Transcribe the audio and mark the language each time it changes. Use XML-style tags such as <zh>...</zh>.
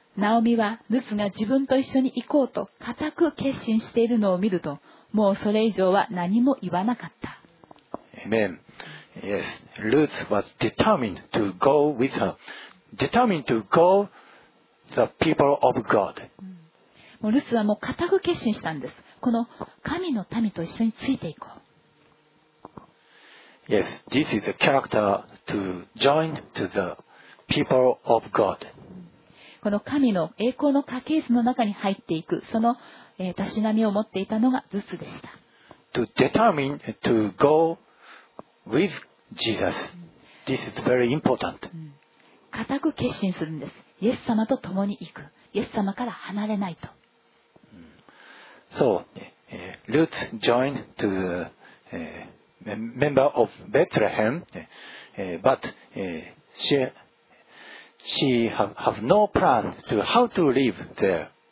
<ja>ナオミはルツが自分と一緒に行こうと固く決心しているのを見ると、もうそれ以上は何も言わなかった。</ja> <en>Amen. Yes, Ruth was determined to go with her. Determined to go the people of God.</en> <ja>もうルツはもう固く決心したんです。この神の民と一緒についていこう。</ja> <en>Yes, this is a character to join to the people of God.</en> <ja>この神の栄光の家系図の中に入っていく、そのたしなみを持っていたのがルツでした。</ja> <en>To determine to go with Jesus. This is very important.</en> <ja>固く決心するんです。イエス様と共に行く。イエス様から離れないと。</ja> <en>So, Ruth joined to the member of Bethlehem, but she have no plan to how to live there.</en>